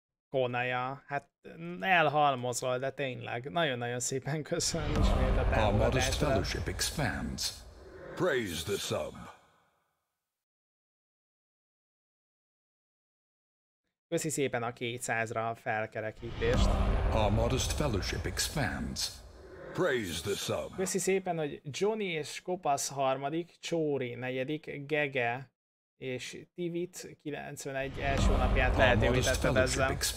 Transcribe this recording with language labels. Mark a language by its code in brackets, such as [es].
[hu] Konaja, hát elhalmozol, de tényleg. Nagyon-nagyon szépen köszönöm ismét a támogatásra. [en] Our modest fellowship expands. Praise the sub. [hu] Köszi szépen a 200-ra a felkerekítést. [en] Our modest fellowship expands. Praise the sub. [hu] Köszi szépen, hogy Johnny és Kopasz harmadik, Chori negyedik, Gege és Tivit 91 első napját lehetővé tetted ezzel.